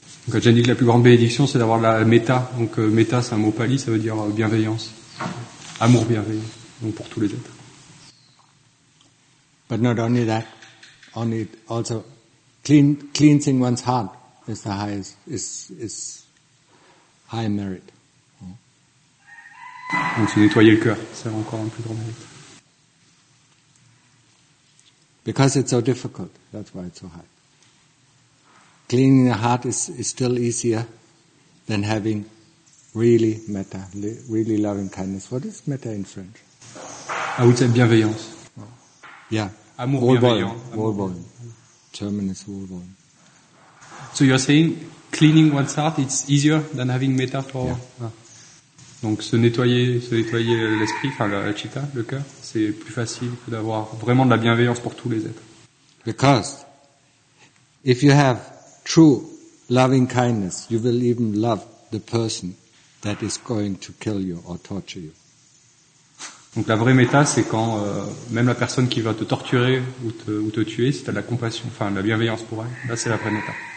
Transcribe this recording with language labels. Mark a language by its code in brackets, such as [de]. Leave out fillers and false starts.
[fr] Quand j'ai dit que la plus grande bénédiction, c'est d'avoir la metta. Donc metta, c'est un mot pali, ça veut dire bienveillance. Amour bienveillant, donc pour tous les êtres. [en] But not only that, only also cleansing one's heart is the highest, is high merit. [fr] Donc se nettoyer le cœur, c'est encore un plus grand mérite. [en] Because it's so difficult, that's why it's so high. Cleaning the heart is still easier than having really metta, really loving kindness. What is metta in French? I would say bienveillance. Yeah. [fr] Amour bienveillant. [en] Wohlwollen. German is wohlwollen. So you're saying cleaning one's heart is easier than having metta for... Yeah. Ah. [fr] Donc se nettoyer l'esprit, enfin la citta, le cœur, c'est plus facile que d'avoir vraiment de la bienveillance pour tous les êtres. [en] Because if you have true loving kindness, you will even love the person that is going to kill you or torture you. [fr] Donc la vraie méta, c'est quand même la personne qui va te torturer ou te tuer, si tu as de la compassion, enfin de la bienveillance pour elle, là c'est la vraie méta.